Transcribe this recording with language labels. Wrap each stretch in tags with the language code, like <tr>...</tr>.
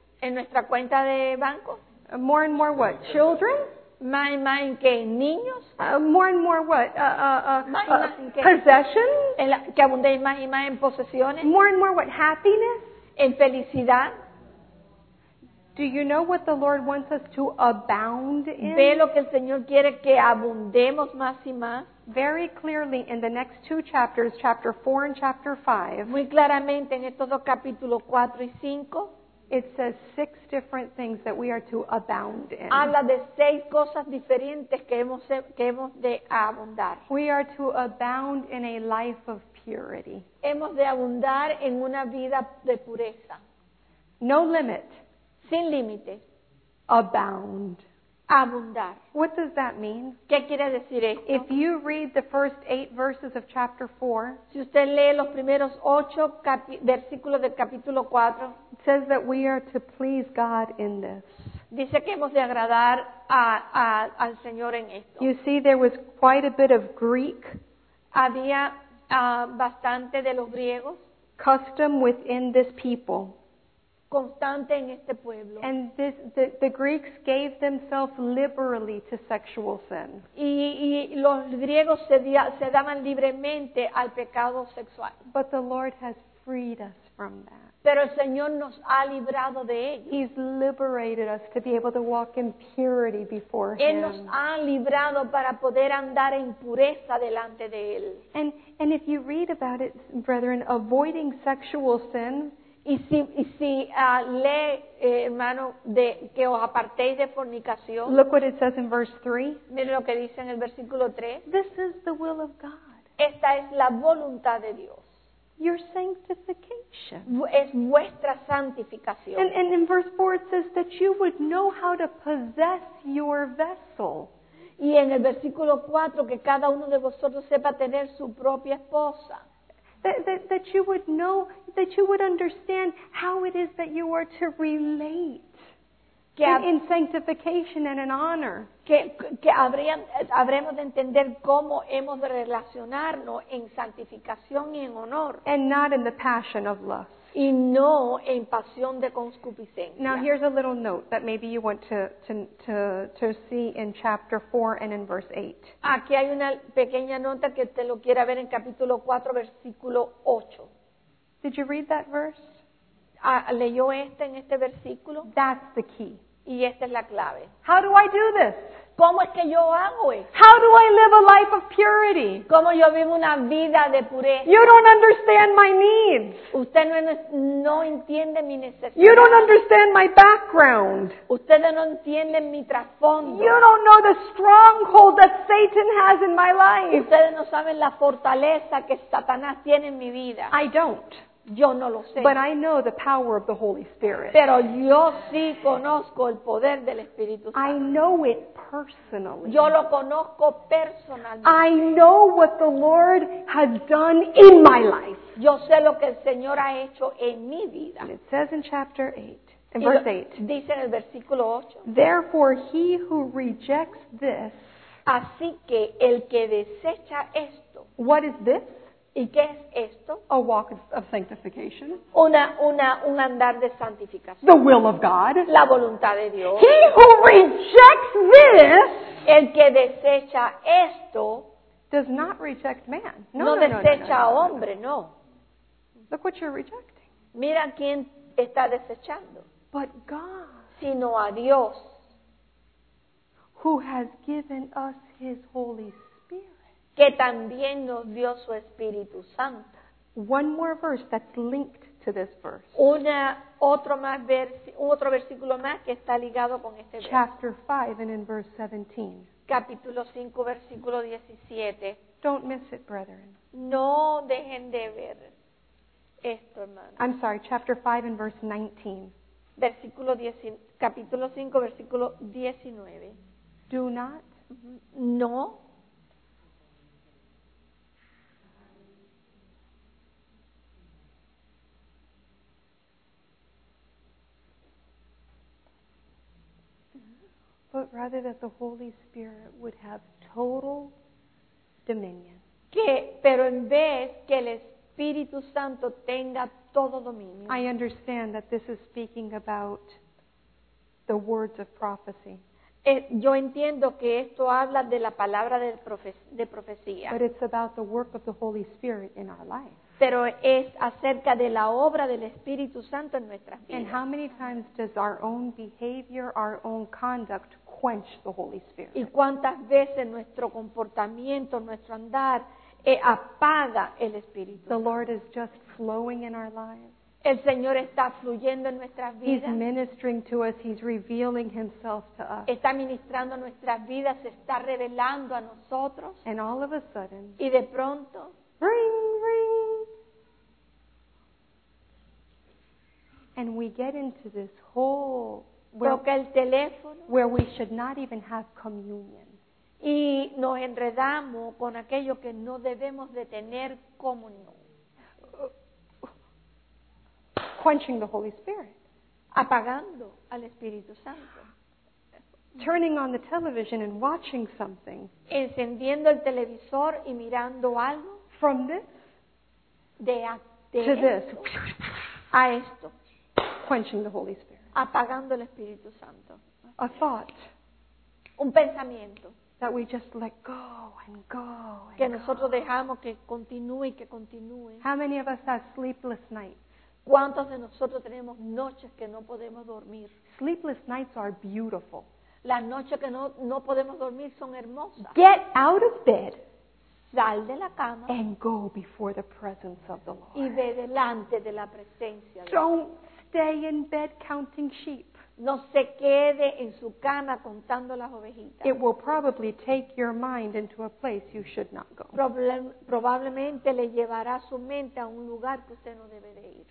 <es>En nuestra cuenta de banco.</es> <en>More and more what? Children?</en> <es>Más y más en qué? Niños?</es> <en>More and more what?</en> <es>Más y más en qué?</es> <en>Possessions?</en> <es>Que abundéis más y más en posesiones.</es> <en>More and more what? Happiness?</en> <es>En felicidad.</es> <en>Do you know what the Lord wants us to abound in?</en> <es>¿Ve lo que el Señor quiere que abundemos más y más?</es> <en>Very clearly in the next two chapters, chapter 4 and chapter 5.</en> <es>Muy claramente en estos dos capítulos 4 y 5.</es> <en>It says six different things that we are to abound in.</en> <es>Habla de seis cosas diferentes que hemos de abundar.</es> <en>We are to abound in a life of purity.</en> <es>Hemos de abundar en una vida de pureza.</es> <en>No limit.</en> <es>Sin límite.</es> <en>Abound.</en> <es>Abundar.</es> <en>What does that mean?</en> <es>¿Qué quiere decir esto?</es> <en>If you read the first eight verses of chapter 4,</en> <es>si usted lee los primeros ocho versículos del capítulo 4,</es> <en>it says that we are to please God in this.</en> <es>Dice que hemos de agradar al Señor en esto.</es> <en>You see, there was quite a bit of Greek.</en> <es>Había bastante de los griegos.</es> <en>Custom within this people.</en> <es>Constante en este pueblo.</es> <en>And the Greeks gave themselves liberally to sexual sin.</en> <es>Y los griegos se daban libremente al pecado sexual.</es> <en>But the Lord has freed us from that.</en> <es>Pero el Señor nos ha librado de ello.</es> <en>He's liberated us to be able to walk in purity before Him.</en> <es>Él nos ha librado para poder andar en pureza delante de Él.</es> <en>And if you read about it, brethren, avoiding sexual sin.</en> <es>Y si lee, hermano, de que os apartéis de fornicación.</es> <en>Look what it says in verse 3.</en> <es>Miren lo que dice en el versículo 3.</es> <en>This is the will of God.</en> <es>Esta es la voluntad de Dios.</es> <en>Your sanctification.</en> <es>Es vuestra santificación.</es> <en>And in verse 4 it says that you would know how to possess your vessel.</en> <es>Y en el versículo 4 que cada uno de vosotros sepa tener su propia esposa.</es> <en>That you would know, that you would understand how it is that you are to relate in sanctification and in honor.</en> <es>Que habremos de entender cómo hemos de relacionarnos en santificación y en honor.</es> <en>And not in the passion of lust.</en> <es>Y no en pasión de concupiscencia.</es> <en>Now here's a little note that maybe you want to see in chapter 4 and in verse 8.</en> <es>Aquí hay una pequeña nota que te lo quiera ver en capítulo 4, versículo 8.</es> <en>Did you read that verse?</en> <es>¿Leyó este en este versículo?</es> <en>That's the key.</en> <es>Y esta es la clave.</es> <en>How do I do this?</en> <es>¿Cómo es que yo hago esto?</es> <en>How do I live a life of purity?</en> <es>¿Cómo yo vivo una vida de pureza?</es> <en>You don't understand my needs.</en> <es>Usted no entiende mi necesidad.</es> <en>You don't understand my background.</en> <es>Usted no entiende mi trasfondo.</es> <en>You don't know the stronghold that Satan has in my life.</en> <es>Ustedes no saben la fortaleza que Satanás tiene en mi vida.</es> <en>I don't.</en> <es>Yo no lo sé.</es> <en>But I know the power of the Holy Spirit.</en> <es>Pero yo sí conozco el poder del Espíritu Santo.</es> <en>I know it personally.</en> <es>Yo lo conozco personalmente.</es> <en>I know what the Lord has done in my life.</en> <es>Yo sé lo que el Señor ha hecho en mi vida.</es> <en>And it says in chapter 8, in verse 8.</en> <es>Dice en el versículo 8.</es> <en>Therefore he who rejects this.</en> <es>Así que el que desecha esto.</es> <en>What is this?</en> <es>¿Y qué es esto?</es> <en>A walk of sanctification.</en> <es>Un andar de santificación.</es> <en>The will of God.</en> <es>La voluntad de Dios.</es> <en>He who rejects this.</en> <es>El que desecha esto.</es> <en>Does not reject man.</en> <es>No, hombre, no.</es> <en>Look what you're rejecting.</en> <es>Mira quién está desechando.</es> <en>But God.</en> <es>Sino a Dios.</es> <en>Who has given us His Holy Spirit.</en> <es>Que también nos dio su Espíritu Santo.</es> <en>One more verse that's linked to this verse.</en> <es>Otro versículo más que está ligado con este verso.</es> <en>Chapter 5 and in verse 17.</en> <es>Capítulo 5, versículo 17.</es> <en>Don't miss it, brethren.</en> <es>No dejen de ver esto, hermano.</es> <en>I'm sorry, chapter 5 and verse 19.</en> <es>Capítulo 5, versículo 19.</es> <en>Do not.</en> <es>No.</es> <en>But rather that the Holy Spirit would have total dominion.</en> <es>Que, pero en vez que el Espíritu Santo tenga todo dominio.</es> <en>I understand that this is speaking about the words of prophecy.</en> <es>Yo entiendo que esto habla de la palabra de profecía.</es> <en>But it's about the work of the Holy Spirit in our life.</en> <es>Pero es acerca de la obra del Espíritu Santo en nuestras vidas.</es> <en>And how many times does our own behavior, our own conduct quench the Holy Spirit?</en> <es>¿Y cuántas veces nuestro comportamiento, nuestro andar apaga el Espíritu?</es> <en>The Lord is just flowing in our lives.</en> <es>El Señor está fluyendo en nuestras vidas.</es> <en>He's ministering to us. He's revealing Himself to us.</en> <es>Está ministrando nuestras vidas. Se está revelando a nosotros.</es> <en>And all of a sudden,</en> <es>y de pronto, ring, ring.</es> <en>And we get into this hole where we should not even have communion.</en> <es>Y nos enredamos con aquello que no debemos de tener comunión.</es> <en>Quenching the Holy Spirit.</en> <es>Apagando al Espíritu Santo.</es> <en>Turning on the television and watching something.</en> <es>Encendiendo el televisor y mirando algo.</es> <en>From this.</en> <es>De</es> <en>to this.</en> <es>A esto.</es> <en>Quenching the Holy Spirit.</en> <es>Apagando el Espíritu Santo.</es> <en>A thought.</en> <es>Un pensamiento.</es> <en>That we just let go and go and</en> <es>que nosotros dejamos que continúe y que continúe.</es> <en>How many of us have sleepless nights?</en> <es>¿Cuántos de nosotros tenemos noches que no podemos dormir?</es> <en>Sleepless nights are beautiful.</en> <es>Las noches que no podemos dormir son hermosas.</es> <en>Get out of bed.</en> <es>Sal de la cama.</es> <en>And go before the presence of the Lord.</en> <es>Y ve delante de la presencia de Dios.</es> <en>Stay in bed counting sheep.</en> <es>No se quede en su cama contando las ovejitas.</es> <en>It will probably take your mind into a place you should not go.</en> <es>Probablemente le llevará su mente a un lugar que usted no debe de ir.</es>